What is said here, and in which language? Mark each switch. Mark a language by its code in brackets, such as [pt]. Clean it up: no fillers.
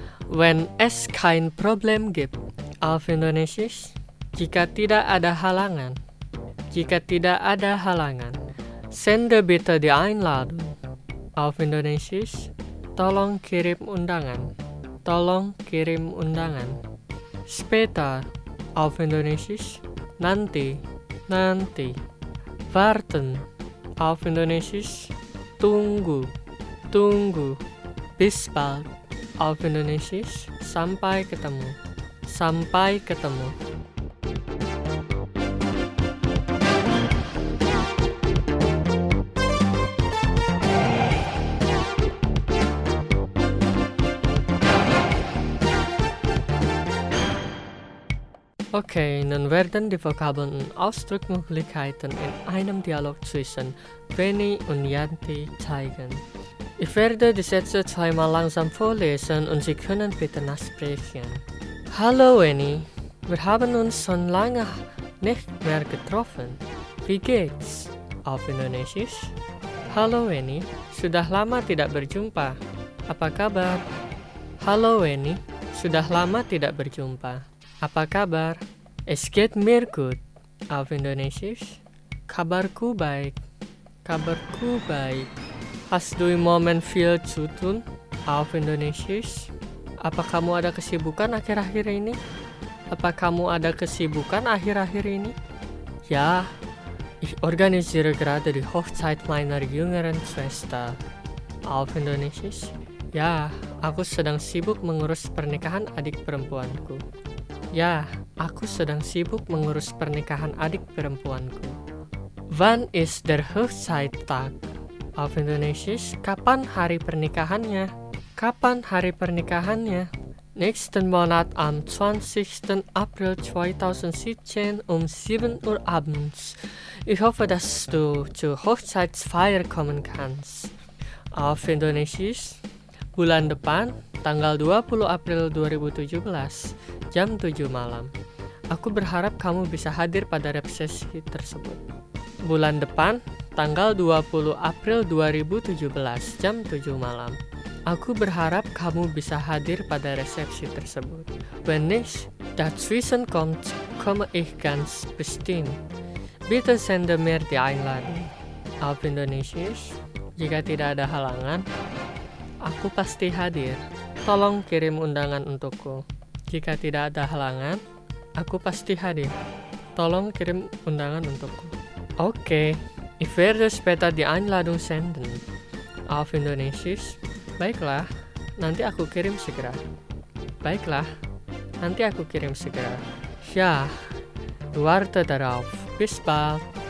[de] Wenn es kein Problem gibt. Auf Indonesisch. [id] Jika tidak ada halangan. Jika tidak ada halangan. [de] Sende bitte die Einladung. Auf Indonesisch. [id] Tolong kirim undangan. Tolong kirim undangan. [de] Später. Auf Indonesisch. [id] Nanti. Nanti. [de] Warten. Auf Indonesisch. [id] Tunggu. Tunggu. [de] Bis bald. Auf Indonesisch. [id] Sampai ketemu. Sampai ketemu. [de] Okay, nun werden die Vokabeln und Ausdruckmöglichkeiten in einem Dialog zwischen Benny und Yanti zeigen. Ich werde die Sätze zweimal langsam vorlesen und Sie können bitte nachsprechen. Hallo Benny, wir haben uns schon lange nicht mehr getroffen. Wie geht's? Auf Indonesisch? [id] Hallo Benny, sudah lama tidak berjumpa. Apa kabar? Hallo Benny, sudah lama tidak berjumpa. Apa kabar? [de] Es geht mir gut. Auf Indonesisch? [id] Kabarku baik. Kabarku baik. [de] Hast du im Moment viel zu tun? Auf Indonesisch? [id] Apa kamu ada kesibukan akhir-akhir ini? Apa kamu ada kesibukan akhir-akhir ini? [de] Ja, ich organisiere gerade die Hochzeit meiner jüngeren Schwester. Auf Indonesisch? [id] Ja, aku sedang sibuk mengurus pernikahan adik perempuanku. Ja, aku sedang sibuk mengurus pernikahan adik perempuanku. [de] Wann ist der Hochzeittag? Auf Indonesisch, [id] kapan hari pernikahannya? Kapan hari pernikahannya? [de] Nächsten Monat am 20. April 2017 um 7 Uhr abends. Ich hoffe, dass du zur Hochzeitsfeier kommen kannst. Auf Indonesisch, [id] bulan depan, tanggal 20 April 2017, jam 7 malam. Aku berharap kamu bisa hadir pada resepsi tersebut. Bulan depan, tanggal 20 April 2017, jam 7 malam. Aku berharap kamu bisa hadir pada resepsi tersebut. [de] Wenn nicht, das Wissen kommt, komme ich ganz bestimmt. Bitte sende mir die Einladung. Auf Indonesisch, [id] jika tidak ada halangan, aku pasti hadir. Tolong kirim undangan untukku. Jika tidak ada halangan, aku pasti hadir. Tolong kirim undangan untukku. Oke, okay. [de] Ich werde später die Einladung senden. Auf Indonesisch. [id] Baiklah, nanti aku kirim segera. Baiklah, nanti aku kirim segera. [de] Ja, warte darauf. Bis bald.